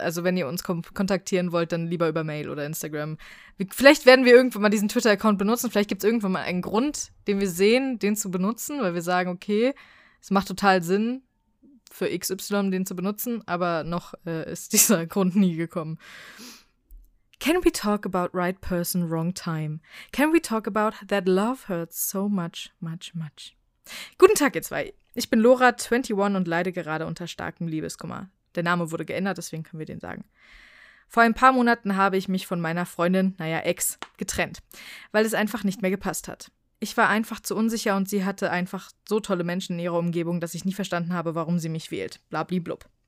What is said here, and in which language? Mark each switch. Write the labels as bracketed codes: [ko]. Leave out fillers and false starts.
[de] Also wenn ihr uns kontaktieren wollt, dann lieber über Mail oder Instagram. Vielleicht werden wir irgendwann mal diesen Twitter-Account benutzen. Vielleicht gibt es irgendwann mal einen Grund, den wir sehen, den zu benutzen. Weil wir sagen, okay, es macht total Sinn, für XY den zu benutzen. Aber noch ist dieser Grund nie gekommen. [en] Can we talk about right person, wrong time? Can we talk about that love hurts so much, much, much? [de] Guten Tag, ihr zwei. Ich bin Laura, 21 und leide gerade unter starkem Liebeskummer. Der Name wurde geändert, deswegen können wir den sagen. Vor ein paar Monaten habe ich mich von meiner Freundin, Ex, getrennt, weil es einfach nicht mehr gepasst hat. Ich war einfach zu unsicher und sie hatte einfach so tolle Menschen in ihrer Umgebung, dass ich nie verstanden habe, warum sie mich wählt. Blabliblub.